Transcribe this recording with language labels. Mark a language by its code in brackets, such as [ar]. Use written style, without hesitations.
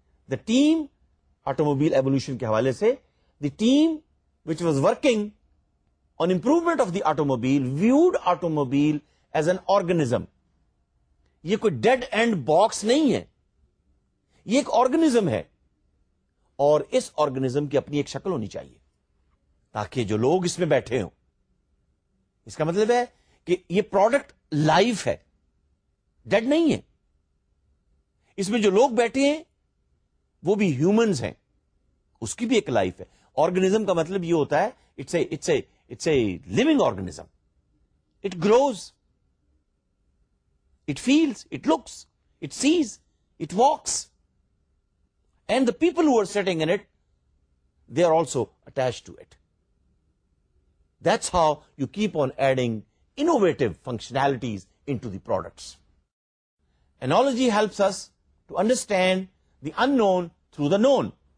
[en] the team automobile evolution [ur] کے حوالے سے, [en] The team which was working on improvement of the automobile viewed automobile as an organism. [ur] یہ کوئی dead and box نہیں ہے, یہ ایک آرگنیزم ہے اور اس آرگنیزم کی اپنی ایک شکل ہونی چاہیے تاکہ جو لوگ اس میں بیٹھے ہوں, اس کا مطلب ہے کہ یہ پروڈکٹ لائف ہے, ڈیڈ نہیں ہے. اس میں جو لوگ بیٹھے ہیں وہ بھی ہیومنز ہیں, اس کی بھی ایک لائف ہے. آرگنیزم کا مطلب یہ ہوتا ہے [en] It's a living organism, it grows, it feels, it looks, it sees, it walks. And the people who are sitting in it, they are also attached to it. That's how you keep on adding innovative functionalities into the products. Analogy helps us to understand the unknown through the known.